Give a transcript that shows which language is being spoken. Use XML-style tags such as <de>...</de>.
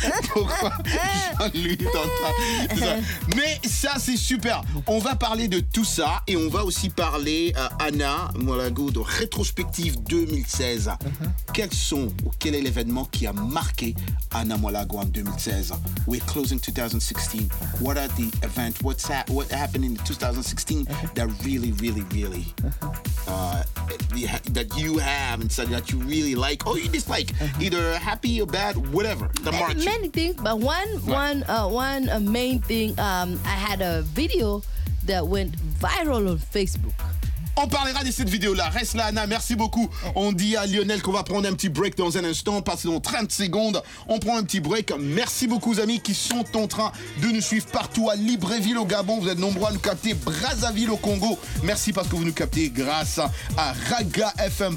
<fr>Pourquoi Jean-Louis est en train de ça? Mais ça, c'est super. On va parler de tout ça et on va aussi parler à Anna Mwalago de Rétrospective 2016. Uh-huh. Quels sont ou quel est l'événement qui a marqué Anna Mwalago en 2016?</fr> <en>We're closing 2016. What are the events? What happened in 2016 that really, really, really, that you have and said that you really like or you dislike, either happy or bad, whatever, the march? Many things, but one main thing, I had a video that went viral on Facebook.</en> <fr>On parlera de cette vidéo-là. Reste là, Anna. Merci beaucoup. On dit à Lionel qu'on va prendre un petit break dans un instant. Passer dans 30 secondes. On prend un petit break. Merci beaucoup, amis, qui sont en train de nous suivre partout à Libreville au Gabon. Vous êtes nombreux à nous capter. Brazzaville au Congo. Merci parce que vous nous captez grâce à Raga FM.</fr>